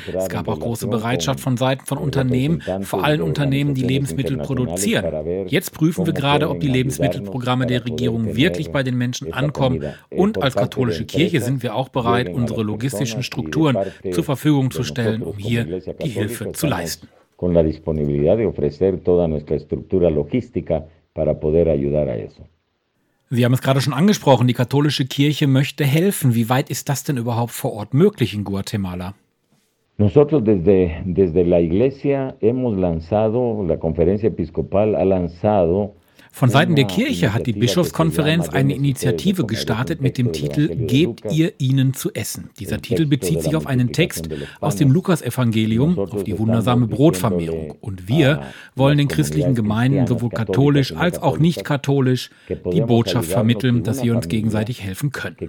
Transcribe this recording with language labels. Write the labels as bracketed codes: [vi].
[de] Es gab auch große Bereitschaft von Seiten von Unternehmen, vor allem Unternehmen, die Lebensmittel produzieren. Jetzt prüfen wir gerade, ob die Lebensmittelprogramme der Regierung wirklich bei den Menschen ankommen und als katholische Kirche sind wir auch bereit, unsere logistischen Strukturen zur Verfügung zu stellen, um hier die Hilfe zu leisten. [es] Con la disponibilidad de ofrecer toda nuestra estructura logística para poder ayudar a eso. [de] Sie haben es gerade schon angesprochen, die katholische Kirche möchte helfen. Wie weit ist das denn überhaupt vor Ort möglich in Guatemala? [es] Nosotros desde la Iglesia hemos lanzado, la Conferencia Episcopal ha lanzado. [de] Von Seiten der Kirche hat die Bischofskonferenz eine Initiative gestartet mit dem Titel »Gebt ihr ihnen zu essen«. Dieser Titel bezieht sich auf einen Text aus dem Lukas-Evangelium, auf die wundersame Brotvermehrung. Und wir wollen den christlichen Gemeinden, sowohl katholisch als auch nicht katholisch, die Botschaft vermitteln, dass sie uns gegenseitig helfen können.